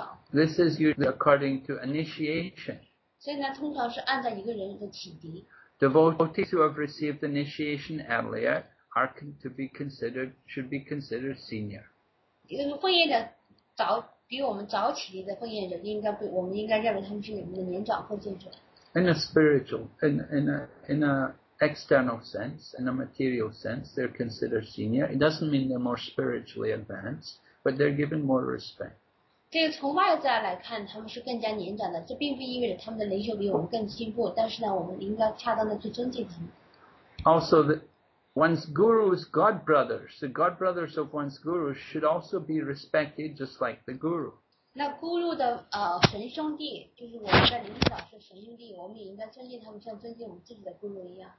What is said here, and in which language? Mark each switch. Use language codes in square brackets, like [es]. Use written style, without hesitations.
[en] This is usually according to initiation. [zh] 所以呢，通常是按照一个人的启迪。 [en] Devotees who have received initiation earlier are to be considered should be considered senior. [zh] 就是奉献者早比我们早启迪的奉献者，应该被我们应该认为他们是我们的年长奉献者。 [en] In a spiritual, in a external sense, in a material sense, they're considered senior. It doesn't mean they're more spiritually advanced. But they're given more respect. [zh] 这个从外在来看，他们是更加年长的。这并不意味着他们的灵修比我们更进步。但是呢，我们应该恰当的去尊敬他们。 [en] Also, one's guru's godbrothers, the godbrothers of one's guru should also be respected, just like the guru. [zh] 那 guru 的神兄弟，就是我们的领导是神兄弟，我们也应该尊敬他们，像尊敬我们自己的 guru 一样。